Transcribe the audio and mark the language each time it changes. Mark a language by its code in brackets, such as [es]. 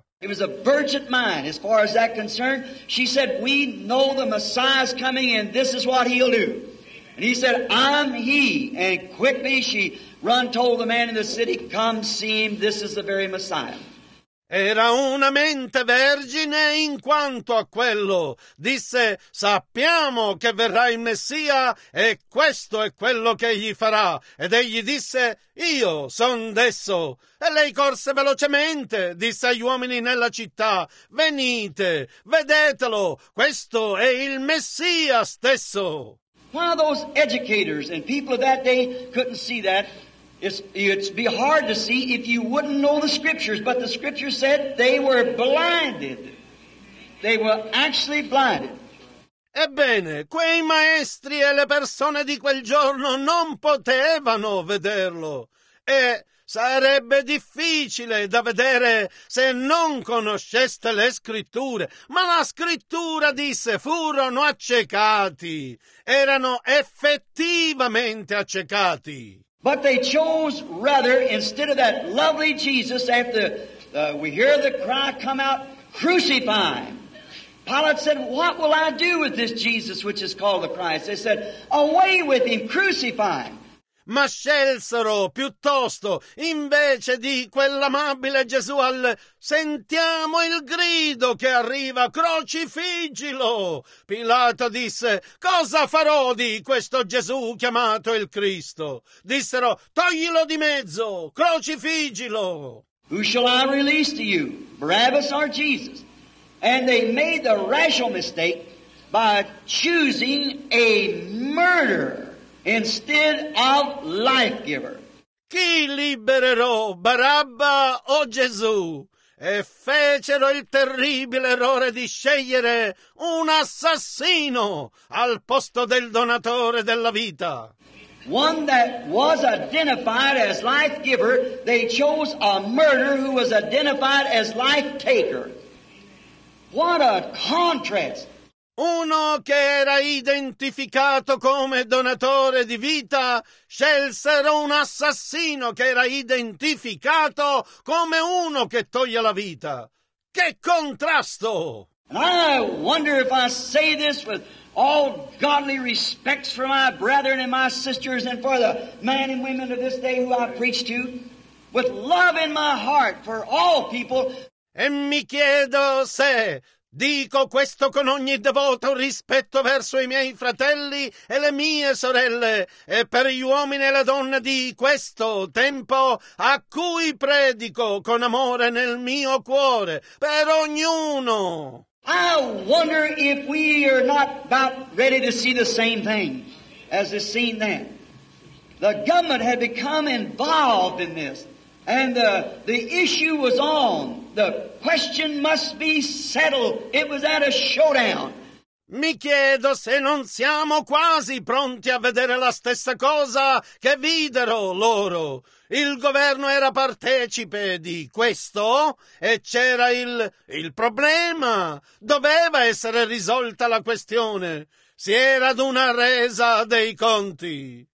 [en] It was a virgin mind as far as that concerned. She said, we know the Messiah is coming and this is what he'll do. And he said, I'm he. And quickly she run told the man in the city, come see him, this is the very Messiah. [it] Era una mente vergine in quanto a quello. Disse: sappiamo che verrà il Messia e questo è quello che egli farà. Ed egli disse: io son desso. E lei corse velocemente, disse agli uomini nella città: venite, vedetelo, questo è il Messia stesso. [en] One of those educators and people of that day couldn't see that. It's be hard to see if you wouldn't know the scriptures, but the scripture said they were blinded. They were actually blinded. [it] Ebbene, quei maestri e le persone di quel giorno non potevano vederlo. E sarebbe difficile da vedere se non conosceste le scritture. Ma la scrittura disse: furono accecati. Erano effettivamente accecati. [en] But they chose rather, instead of that lovely Jesus, after we hear the cry come out, crucify him. Pilate said, what will I do with this Jesus which is called the Christ? They said, away with him, crucify him. [it] Ma scelsero piuttosto, invece di quell'amabile Gesù, al sentiamo il grido che arriva, crocifiggilo. Pilato disse, cosa farò di questo Gesù chiamato il Cristo? Dissero, toglilo di mezzo, crocifiggilo. [en] Who shall I release to you, Barabbas or Jesus? And they made the rational mistake by choosing a murderer instead of life giver. [it] Chi libererò, Barabba o Gesù? E fecero il terribile errore di scegliere un assassino al posto del donatore della vita. [en] One that was identified as life giver, they chose a murderer who was identified as life taker. What a contrast! [it] Uno che era identificato come donatore di vita, scelsero un assassino che era identificato come uno che toglie la vita. Che contrasto! [en] And I wonder if I say this with all godly respects for my brethren and my sisters and for the men and women of this day who I preach to, with love in my heart for all people. [it] E mi chiedo se dico questo con ogni devoto rispetto verso i miei fratelli e le mie sorelle e per gli uomini e le donne di questo tempo a cui predico con amore nel mio cuore per ognuno. [en] I wonder if we are not about ready to see the same thing as is seen then. The government had become involved in this. And the issue was on. The question must be settled. It was at a showdown. [it] Mi chiedo se non siamo quasi pronti a vedere la stessa cosa che videro loro. Il governo era partecipe di questo e c'era il problema. Doveva essere risolta la questione. Si era ad una resa dei conti.